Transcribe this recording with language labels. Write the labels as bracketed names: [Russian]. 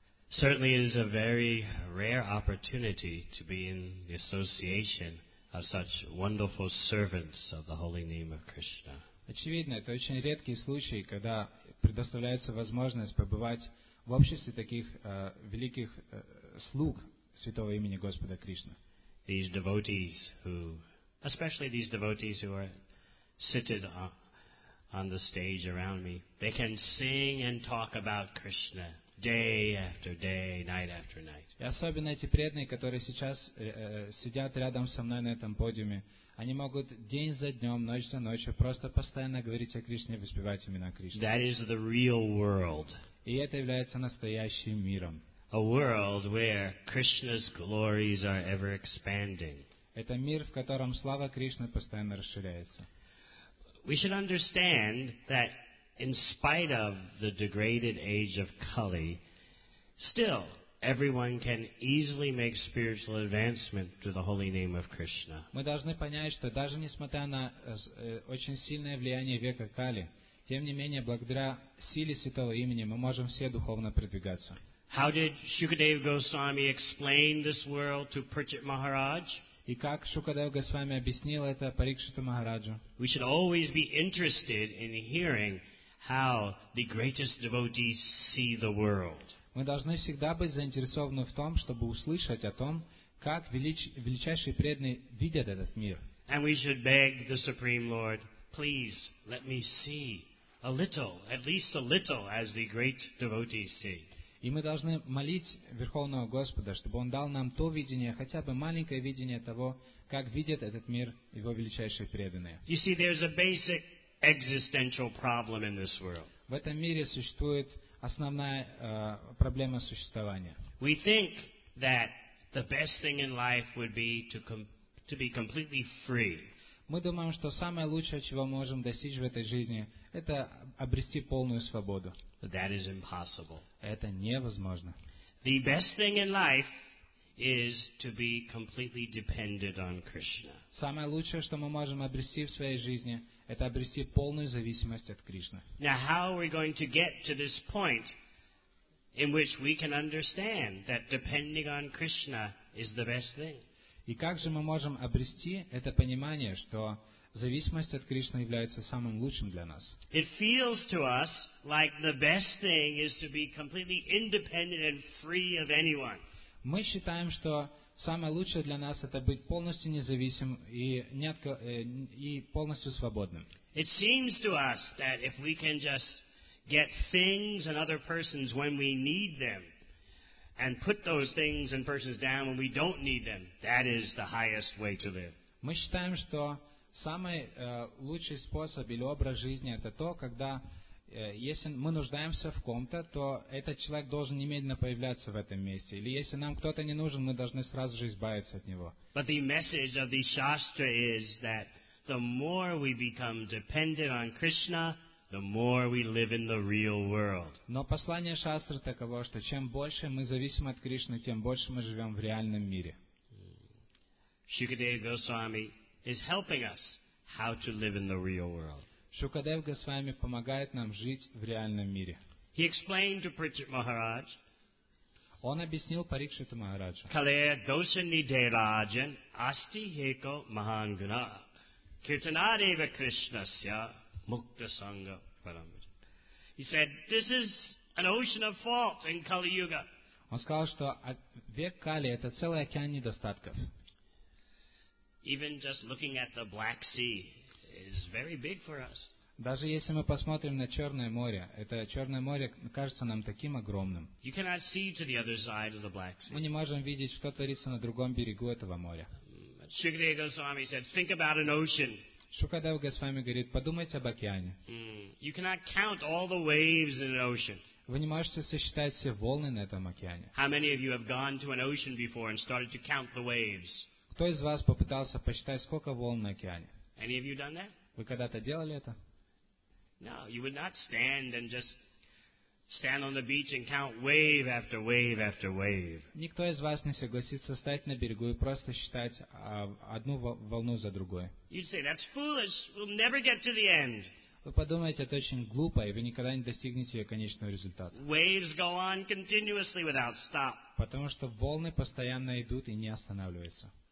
[English] Certainly it is a very rare opportunity to be in the association of such wonderful servants of the holy name of Krishna. [Russian] Очевидно, это очень редкий случай, когда предоставляется возможность побывать в обществе таких великих слуг святого имени Господа Кришны. [English] These devotees who, especially these devotees who are seated on the stage around me, they can sing and talk about Krishna day after day, night after night. [Russian] И особенно эти преданные, которые сейчас сидят рядом со мной на этом подиуме, они могут день за днем, ночь за ночью просто постоянно говорить о Кришне, воспевать имена Кришны. [English] That is the real world. [Russian] И это является настоящим миром. [English] A world where Krishna's glories are ever expanding. [Russian] Это мир, в котором слава Кришны постоянно расширяется. [English] We should understand that in spite of the degraded age of Kali, still everyone can easily make spiritual advancement through the holy name of Krishna. [Russian] Мы должны понять, что даже несмотря на очень сильное влияние века Кали, тем не менее, благодаря силе святого имени мы можем все духовно продвигаться. [English] How did Shukadeva Goswami explain this world to Prichit Maharaj [Russian] И как Шукадев Госвами объяснил это Парикшита Махараджу. [English] We should always be interested in hearing how the greatest devotees see the world. [Russian] Мы должны всегда быть заинтересованы в том, чтобы услышать о том, как величайшие преданные видят этот мир. [English] And we should beg the Supreme Lord, please let me see a little, at least a little, as the great devotees see. [Russian] И мы должны молить Верховного Господа, чтобы Он дал нам то видение, хотя бы маленькое видение того, как видят этот мир Его величайшие преданные. [English] You see, there's a basic existential problem in this world. [Russian] В этом мире существует основная проблема существования. [English] We think that the best thing in life would be to be completely free. [Russian] Мы думаем, что самое лучшее, чего мы можем достичь в этой жизни, это обрести полную свободу. [English] But that is impossible. [Russian] Это невозможно. [English] The best thing in life is to be completely dependent on Krishna. [Russian] Самое лучшее, что мы можем обрести в своей жизни, это обрести полную зависимость от Кришны. [English] Now how are we going to get to this point in which we can understand that depending on Krishna is the best thing? [Russian] И как же мы можем обрести это понимание, что зависимость от Кришны является самым лучшим для нас? [English] It feels to us like the best thing is to be completely independent and free of anyone. [Russian] Мы считаем, что самое лучшее для нас это быть полностью независимым и полностью свободным. [English] It seems to us that if we can just get things and other persons when we need them, and put those things and persons down when we don't need them, that is the highest way to live. [Russian] Мы считаем, что самый лучший способ или образ жизни это то, когда если мы нуждаемся в ком-то, то этот человек должен немедленно появляться в этом месте. Или если нам кто-то не нужен, мы должны сразу же избавиться от него. [English] But the message of the Shastra is that the more we become dependent on Krishna, the more we live in the real world. [Russian] Но послание Шастры таково, что чем больше мы зависим от Кришны, тем больше мы живем в реальном мире. [English] Shukadev Goswami is helping us how to live in the real world. [Russian] Шукадев Госвами помогает нам жить в реальном мире. [English] He explained to Parikshit Maharaj. [Russian] Он объяснил Парикшиту Махараджу. [Sanskrit] Kale dosha nidhirajan asti heko mahanguna kirtanadeva krishnasya mukta sanga paramita. [English] He said, this is an ocean of fault in Kali Yuga. [Russian] Он сказал, что век Кали это целый океан недостатков. [English] Even just looking at the Black Sea is very big for us. [Russian] Даже если мы посмотрим на Черное море, это Черное море кажется нам таким огромным. [English] You cannot see to the other side of the Black Sea. [Russian] Мы не можем видеть, что творится на другом берегу этого моря. [English] Shukadev Goswami said, think about an ocean. [Russian] Шукадев Госвами говорит, подумайте об океане. [English] You cannot count all the waves in an ocean. [Russian] Вы не можете сосчитать все волны на этом океане. [English] How many of you have gone to an ocean before and started to count the waves? [Russian] Кто из вас попытался посчитать, сколько волн на океане? [English] Any of you done that? [Russian] Вы когда-то делали это? [English] No, you would not stand and just stand on the beach and count wave after wave after wave. [Russian] Никто из вас не согласится стать на берегу и просто считать одну волну за другой. [English] You'd say, that's foolish. We'll never get to the end. [Russian] Вы подумаете, это очень глупо, и вы никогда не достигнете ее конечного результата. [English] Waves go on continuously without stop. [Russian] Потому что волны постоянно идут и не останавливаются.